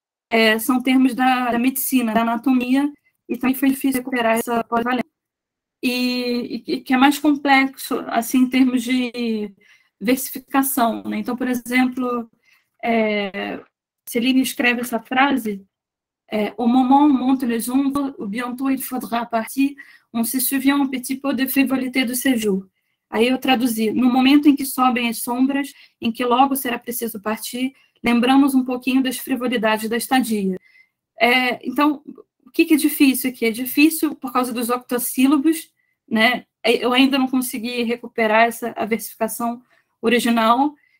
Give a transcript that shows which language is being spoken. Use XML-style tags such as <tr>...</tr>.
<pt>É, são termos da medicina, da anatomia, e também foi difícil recuperar essa polivalência. E que é mais complexo, assim, em termos de versificação, né? Então, por exemplo, Céline escreve essa frase,</pt> <fr>au moment où montent les ombres, ou bientôt il faudra partir, on se souvient un petit peu de frivolité de séjour.</fr> <pt>Aí eu traduzi, no momento em que sobem as sombras, em que logo será preciso partir, lembramos um pouquinho das frivolidades da estadia. Então, o que é difícil aqui? É difícil por causa dos octossílabos, né? Eu ainda não consegui recuperar a versificação original.</pt>